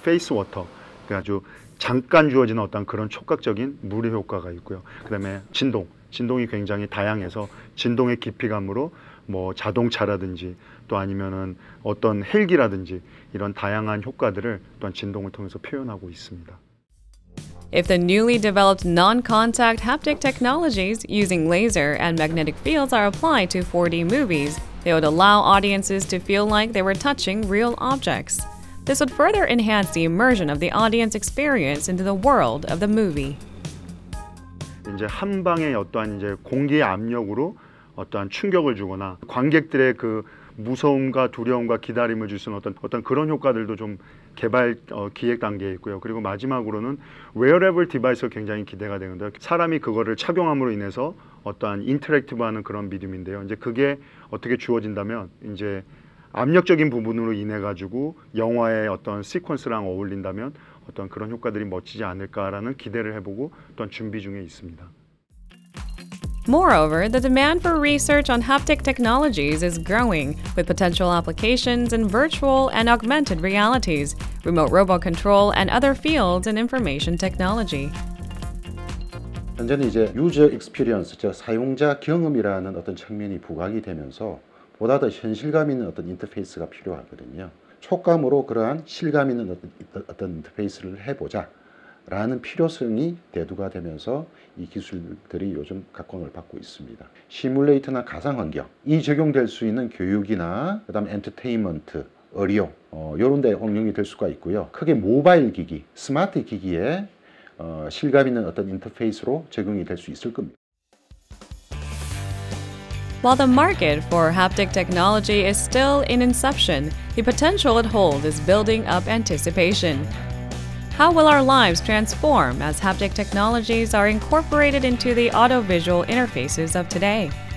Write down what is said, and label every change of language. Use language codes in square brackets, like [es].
[ko] 페이스 워터, 아주 잠깐 주어지는 어떤 그런 촉각적인 물의 효과가 있고요. 그 다음에 진동, 진동이 굉장히 다양해서 진동의 깊이감으로 뭐 자동차라든지 또 아니면은 어떤 헬기라든지 이런 다양한 효과들을 또한 진동을 통해서 표현하고 있습니다. [en] If the newly developed non-contact haptic technologies using laser and magnetic fields are applied to 4D movies, they would allow audiences to feel like they were touching real objects. This would further enhance the immersion of the audience experience into the world of the movie. [ko] 이제 한 방에 어떠한 이제 공기의 압력으로 어떠한 충격을 주거나 관객들의 그 무서움과 두려움과 기다림을 줄 수 있는 어떤 그런 효과들도 좀 개발 기획 단계에 있고요. 그리고 마지막으로는 wearable 디바이스가 굉장히 기대가 되는데요. 사람이 그거를 착용함으로 인해서 어떠한 인터랙티브하는 그런 미디움인데요. 이제 그게 어떻게 주어진다면 이제 압력적인 부분으로 인해 가지고 영화의 어떤 시퀀스랑 어울린다면 어떤 그런 효과들이 멋지지 않을까라는 기대를 해보고 또한 준비 중에 있습니다. [en] Moreover, the demand for research on haptic technologies is growing, with potential applications in virtual and augmented realities, remote robot control, and other fields in information technology. [ko] 현재는 이제 user experience, 즉 사용자 경험이라는 어떤 측면이 부각이 되면서 보다 더 현실감 있는 어떤 인터페이스가 필요하거든요. 촉감으로 그러한 실감 있는 어떤 인터페이스를 해보자. 라는 필요성이 대두가 되면서 이 기술들이 요즘 각광을 받고 있습니다. 시뮬레이터나 가상환경이 적용될 수 있는 교육이나 그다음 엔터테인먼트, 의료 이런 데 응용이 될 수가 있고요. 크게 모바일 기기, 스마트 기기에 실감 있는 어떤 인터페이스로 적용이 될 수 있을 겁니다. [en] While the market for haptic technology is still in inception, the potential it holds is building up anticipation. How will our lives transform as haptic technologies are incorporated into the audiovisual interfaces of today?